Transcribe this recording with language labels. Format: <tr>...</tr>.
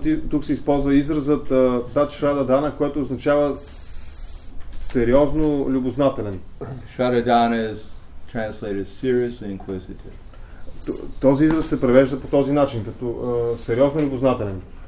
<bg>Тук се използва изразът Tatsharadana, което означава сериозно любознателен.</bg> <en>Tatsharadana is translated seriously inquisitive.</en> <bg>Този израз се превежда по този начин, като сериозно любознателен.</bg>